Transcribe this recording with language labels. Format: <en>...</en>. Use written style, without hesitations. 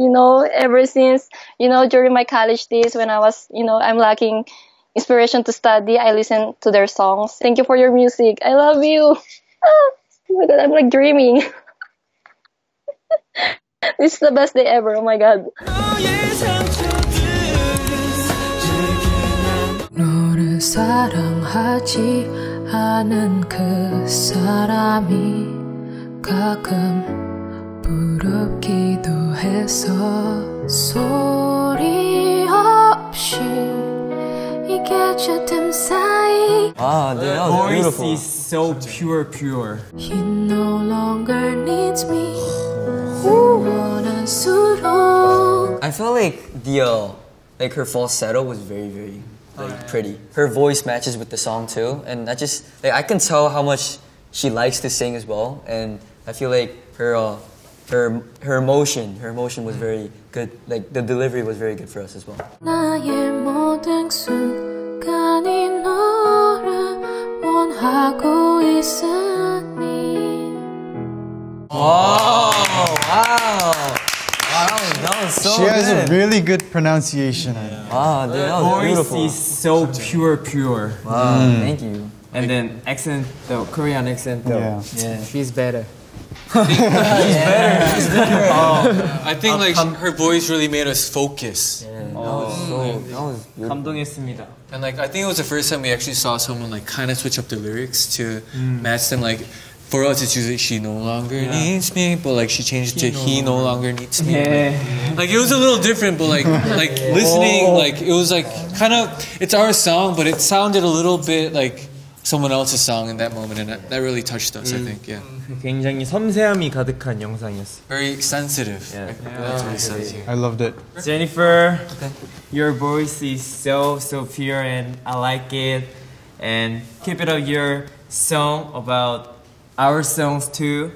<en>You know, ever since, you know, during my college days when I was, you know, I'm lacking inspiration to study, I listen to their songs. Thank you for your music. I love you. Oh my God, I'm like dreaming. This is the best day ever. Oh my God.</en> <ko>사랑하지 않은 그 사람이 가끔 부럽기도 해서 소리 없이 이게 저 틈 사이 아, 네,</ko> <en>The voice is so pure, pure. He no longer needs me.</en> <ko>원한스러운</ko> <en>I feel like like her falsetto was very, very pretty. Her voice matches with the song too, and I just I can tell how much she likes to sing as well. And I feel like her her emotion was very good. Like the delivery was very good for us as well.</en> <ko>나의 모든 순간이 너를 원하고 있으니.</ko> <en>Wow, that was so good. She has a really good pronunciation. Yeah. Wow, dude, that was beautiful. Voice is so pure, pure. Wow, thank you. And then accent, the Korean accent, though. She's better. I think like her voice really made us focus. That was so good.</en> <ko>감동했습니다.</ko> <en>And like I think it was the first time we actually saw someone like kind of switch up the lyrics to match them like. For us, it's usually she no longer needs me, but like she changed it to he no longer needs me. Yeah. Like it was a little different, but like listening, like it was like kind of, it's our song, but it sounded a little bit like someone else's song in that moment, and that really touched us, I think, yeah.</en> <ko>굉장히 섬세함이 가득한 영상이었어요.</ko> <en>Very sensitive. I loved it. Jennifer, your voice is so, so pure, and I like it. And keep it up, your song about our songs too.</en>